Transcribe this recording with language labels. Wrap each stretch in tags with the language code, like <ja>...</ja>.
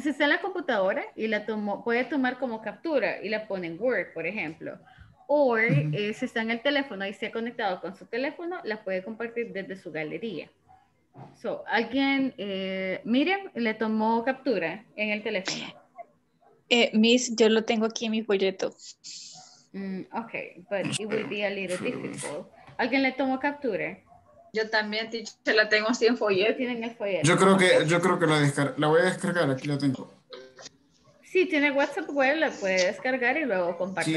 <es>Si está en la computadora y la tomó, puede tomar como captura y la pone en Word, por ejemplo. O si está en el teléfono y se ha conectado con su teléfono, la puede compartir desde su galería. So, alguien, Miriam, le tomó captura en el teléfono. Miss, yo lo tengo aquí en mi folleto.</es> <en>Okay, but it will be a little difficult.</en> <es>¿Alguien le tomó captura? Yo también, teacher, la tengo así en folleto. Tienen el folleto. Yo creo que la voy a descargar, aquí la tengo. Sí, tiene WhatsApp web, la puede descargar y luego compartir.</es>